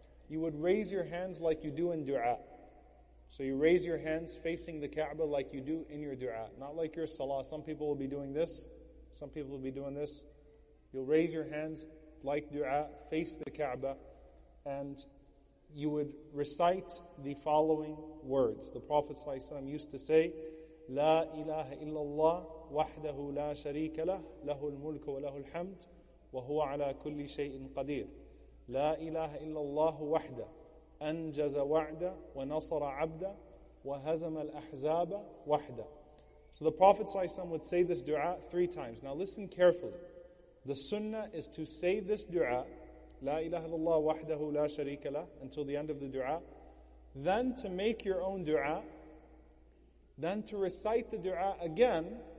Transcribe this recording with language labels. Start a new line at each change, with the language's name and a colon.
English: You would raise your hands like you do in dua. So you raise your hands facing the Kaaba like you do in your dua. Not like your salah. Some people will be doing this. Some people will be doing this. You'll raise your hands like dua, face the Kaaba. And you would recite the following words. The Prophet ﷺ used to say,
Arabic: La ilaha illallah. وحده لا شريك له له الملك وله الحمد وهو على كل شيء قدير لا إله إلا الله وحده أنجز وعده ونصر عبده وهزم الأحزاب وحده.
English: So the Prophet ﷺ would say this dua three times. Now listen carefully. The sunnah is to say this dua,
Arabic: لا إله إلا الله وحده لا شريك له,
English: until the end of the dua. Then to make your own dua. Then to recite the dua again.